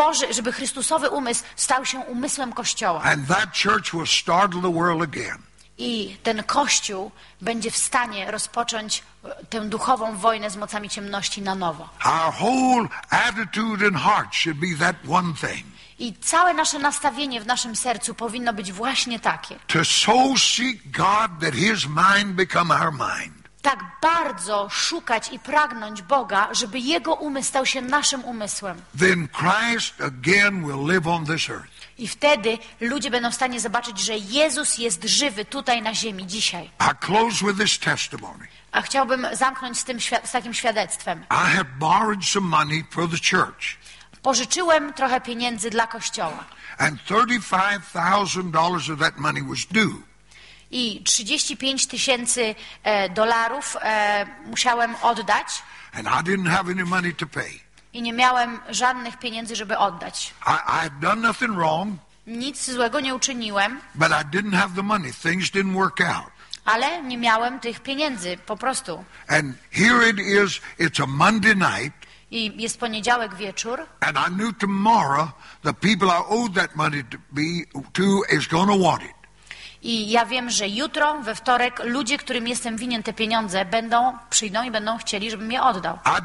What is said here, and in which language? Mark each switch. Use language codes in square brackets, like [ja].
[pl] Żeby Chrystusowy umysł stał się umysłem Kościoła. [en] And that church will startle the world again. [pl] I ten Kościół będzie w stanie rozpocząć tę duchową wojnę z mocami ciemności na nowo. [en] Our whole attitude and heart should be that one thing. [pl] I całe nasze nastawienie w naszym sercu powinno być właśnie takie. [en] To so seek God that His mind become our mind. [pl] Tak bardzo szukać i pragnąć Boga, żeby Jego umysł stał się naszym umysłem. [en] Then Christ again will live on this earth. [pl] I wtedy ludzie będą w stanie zobaczyć, że Jezus jest żywy tutaj na ziemi dzisiaj. [en] I close with this testimony. [pl] A chciałbym zamknąć z takim świadectwem. [en] I have borrowed some money for the church. [pl] Pożyczyłem trochę pieniędzy dla Kościoła. [en] And $35,000 of that money was due. [pl] I 35,000 dolarów musiałem oddać. [en] And I didn't have any money to pay. [pl] I nie miałem żadnych pieniędzy, żeby oddać. [en] I had done nothing wrong. [pl] Nic złego nie uczyniłem. [en] But I didn't have the money. Things didn't work out. [pl] Ale nie miałem tych pieniędzy, po prostu. [en] And here it is. It's a Monday night. [pl] I jest poniedziałek wieczór. [en] And I knew tomorrow the people I owed that money to is going to want it. [pl] I ja wiem, że jutro, we wtorek, ludzie, którym jestem winien te pieniądze, przyjdą i będą chcieli, żebym je oddał.